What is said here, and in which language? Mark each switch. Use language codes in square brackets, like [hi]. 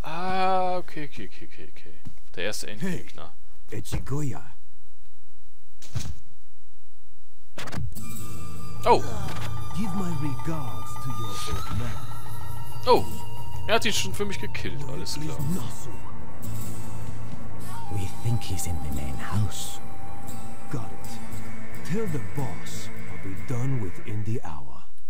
[de] Ah, okay, okay, okay, okay, okay. Der erste Endgegner. Hey, Echigoya. [en] Oh. Give my regards to your old man. Oh. [de] Er hat ihn schon für mich gekillt, alles klar. [en] We think he's in the main house. Got it. Tell the boss I'll be done within the hour.